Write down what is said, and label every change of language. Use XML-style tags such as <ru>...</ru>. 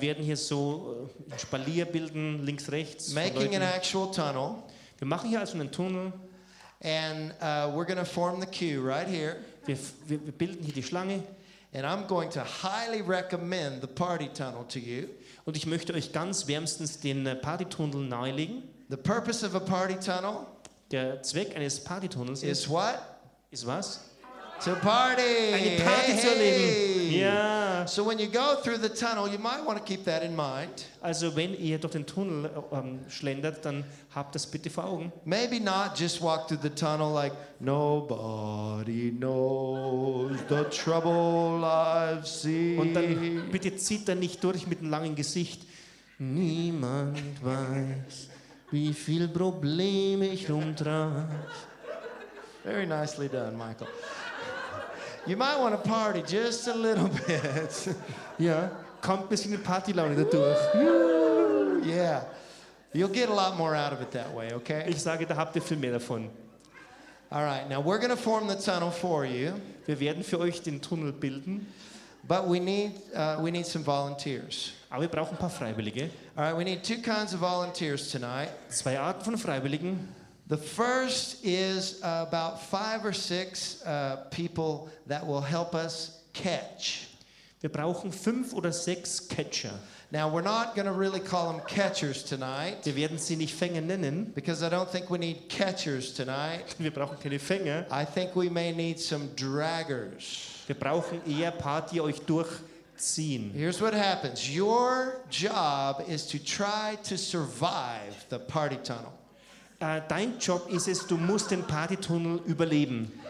<de>Wir werden hier so ein Spalier bilden, links, rechts.</de> <en>Making an actual tunnel.</en> <de>Wir machen hier also einen Tunnel.</de> <en>And we're going to form the queue right here.</en> <de>Wir bilden hier die Schlange.</de> <en>And I'm going to highly recommend the party tunnel to you.</en> <de>Und ich möchte euch ganz wärmstens den Partytunnel nahelegen.</de> <en>The purpose of a party tunnel.</en> <de>Der Zweck eines Partytunnels</de> <en>is what?</en> <de>Ist was?</de> <en>To party.</en> <de>Eine Party zu erleben. Ja.</de> <en>So when you go through the tunnel, you might want to keep that in mind.</en> <de>Also wenn ihr durch den Tunnel schlendert, dann habt das bitte vor Augen.</de> <en>Maybe not just walk through the tunnel like nobody knows the trouble I've seen.</en> <de>Und dann bitte zieht da nicht durch mit einem langen Gesicht. Niemand weiß, wie viel Probleme ich rumtrage.</de> <en>Very nicely done, Michael. You might want to party just a little bit. Yeah.</en> <de>Kommt ein bisschen Partylaune dadurch.</de> <en>Yeah. You'll get a lot more out of it that way, okay?</en> <de>Ich sage, da habt ihr viel mehr davon.</de> <en>All right, now we're going to form the tunnel for you.</en> <de>Wir werden für euch den Tunnel bilden.</de> <en>But we need some volunteers.</en> <de>Aber wir brauchen ein paar Freiwillige.</de> <en>All right, we need two kinds of volunteers tonight.</en> <de>Zwei Arten von Freiwilligen.</de> <en>The first is about five or six people that will help us catch.</en> <de>Wir brauchen fünf oder sechs Catcher.</de> <en>Now we're not going to really call them catchers tonight.</en> <de>Wir werden sie nicht Fänger nennen.</de> <en>Because I don't think we need catchers tonight.</en> <de>Wir brauchen keine Fänger.</de> <en>I think we may need some draggers.</en> <de>Wir brauchen eher ein paar, die euch durchziehen.</de> <en>Here's what happens. Your job is to try to survive the party tunnel.</en> <de>Dein Job ist es, du musst den Partytunnel überleben.</de>